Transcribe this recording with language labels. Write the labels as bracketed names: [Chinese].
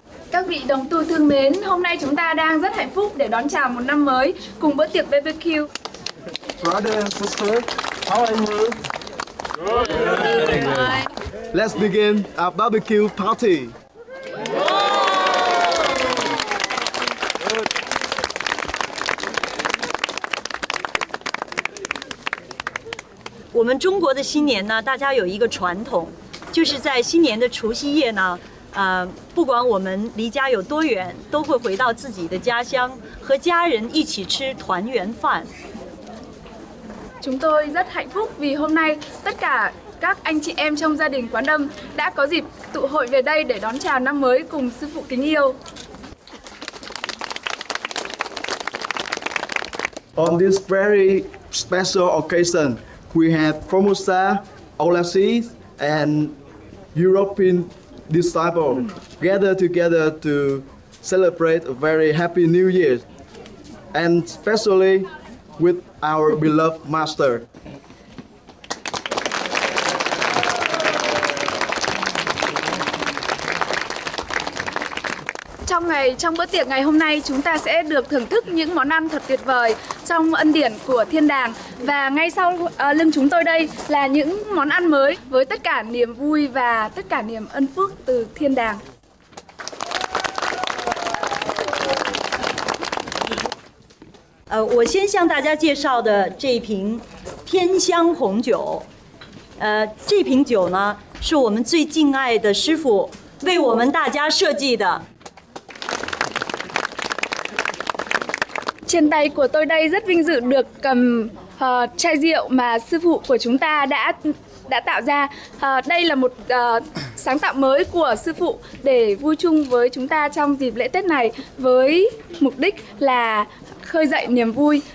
[Vietnamese] Các vị đồng tu thương mến, hôm nay chúng ta đang rất hạnh phúc để đón chào một năm mới cùng bữa tiệc BBQ. [English] Brother and sister, how are you? Good. Let's begin our BBQ party. We in China, we have a tradition. That is, on the New Year's Eve, no matter how far we are from home, we will return to our hometown and eat family dinner together. [Vietnamese] Chúng tôi rất hạnh phúc vì hôm nay tất cả các anh chị em trong gia đình Quán Âm đã có dịp tụ hội về đây để đón chào năm mới cùng sư phụ kính yêu. [English] On this very special occasion, we have Formosa, overseas, and European disciples gathered together to celebrate a very happy New Year, and especially with our beloved master. [Vietnamese] Trong ngày trong bữa tiệc ngày hôm nay chúng ta sẽ được thưởng thức những món ăn thật tuyệt vời trong ân điển của thiên đàng. Và ngay sau lưng chúng tôi đây là những món ăn mới với tất cả niềm vui và tất cả niềm ân phúc từ thiên đàng. Tôi xin giới thiệu cho mọi người chai rượu Thiên Hương Hồng Cửu. [Chinese] 这瓶酒呢，是我们最敬爱的师傅为我们大家设计的。 [Vietnamese] Trên tay của tôi đây rất vinh dự được cầm chai rượu mà sư phụ của chúng ta đã tạo ra. Đây là một sáng tạo mới của sư phụ để vui chung với chúng ta trong dịp lễ Tết này với mục đích là khơi dậy niềm vui.